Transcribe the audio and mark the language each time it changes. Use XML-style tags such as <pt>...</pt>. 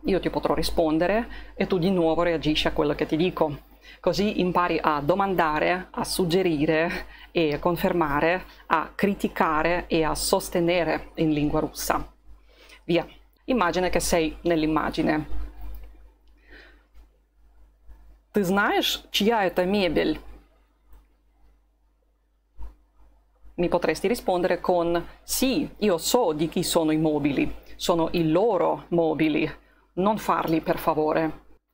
<it>Io ti potrò rispondere e tu di nuovo reagisci a quello che ti dico. Così impari a domandare, a suggerire e a confermare, a criticare e a sostenere in lingua russa. Via, immagina che sei nell'immagine.</it> <ru>Ты знаешь, чья это мебель?</ru> <it>Mi potresti rispondere con sì, io so di chi sono i mobili, sono i loro mobili, non farli per favore.</it>